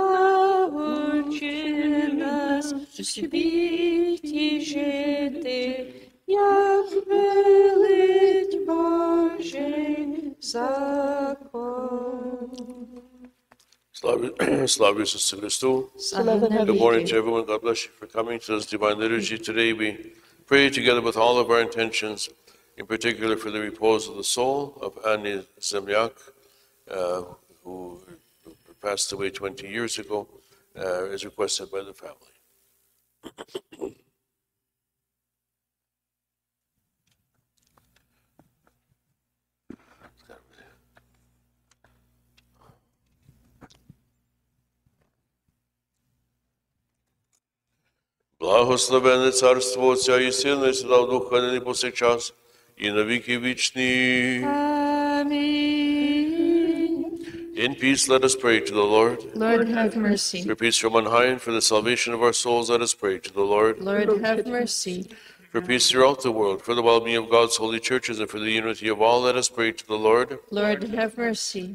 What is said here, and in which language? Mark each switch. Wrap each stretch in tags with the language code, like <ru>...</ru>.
<uk>Научи нас в світі жити, як велить Божий закон. Slavu Jesus Christu.</uk> <en>Good morning to everyone. God bless you for coming to this divine liturgy today. We pray together with all of our intentions in particular for the repose of the soul of Annie Zemliak, who passed away 20 years ago, as requested by the family.</en> <uk>Благословенне царство Отця і Сина, і Святого Духа, нині по сей час, і на віки вічні. Амінь.</uk> <en>In peace, let us pray to the Lord. Lord, have mercy. For peace from on high and for the salvation of our souls, let us pray to the Lord. Lord, have mercy. For peace throughout the world, for the well-being of God's holy churches, and for the unity of all, let us pray to the Lord. Lord, have mercy.</en>